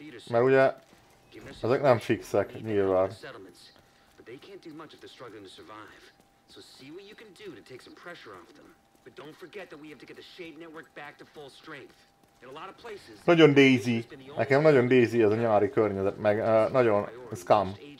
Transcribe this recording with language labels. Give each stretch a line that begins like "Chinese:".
Hungarian: Mert ugye, ezek nem fixek, nyilván.
English: But they can't do much if they're struggling to survive. So see what you can do to take some pressure off them. But don't forget that we have to get the Shade Network back to full strength.
Hungarian: Nagyon Daisy. Nekem nagyon Daisy ez a nyári környezet, meg nagyon Scum.